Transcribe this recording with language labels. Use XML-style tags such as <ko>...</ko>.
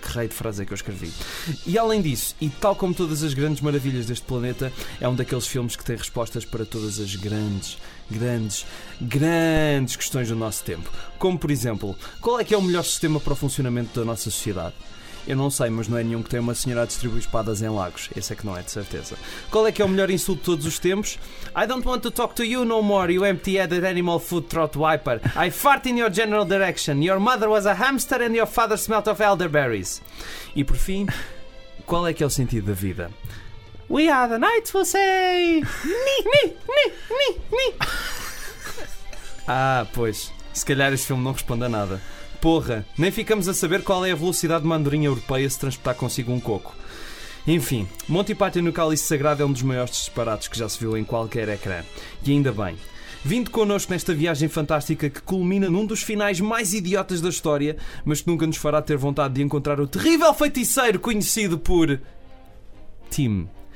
<pt>Que rei de frase é que eu escrevi. E além disso, e tal como todas as grandes maravilhas deste planeta, é um daqueles filmes que tem respostas para todas as grandes, grandes, grandes questões do nosso tempo. Como, por exemplo, qual é que é o melhor sistema para o funcionamento da nossa sociedade? Eu não sei, mas não é nenhum que tenha uma senhora a distribuir espadas em lagos. Esse é que não é, de certeza. Qual é que é o melhor insulto de todos os tempos?</pt> <en>I don't want to talk to you no more, you empty-headed animal food trot wiper. I fart in your general direction. Your mother was a hamster and your father smelt of elderberries.</en> <pt>E por fim, qual é que é o sentido da vida?</pt> <en>We are the knights, we'll say...</en> <pt>Me. Ah, pois. Se calhar este filme não responde a nada. Porra, nem ficamos a saber qual é a velocidade de uma andorinha europeia se transportar consigo um coco. Enfim, Monty Python no Cálice Sagrado é um dos maiores disparates que já se viu em qualquer ecrã. E ainda bem. Vindo connosco nesta viagem fantástica que culmina num dos finais mais idiotas da história, mas que nunca nos fará ter vontade de encontrar o terrível feiticeiro conhecido por... Tim.</pt>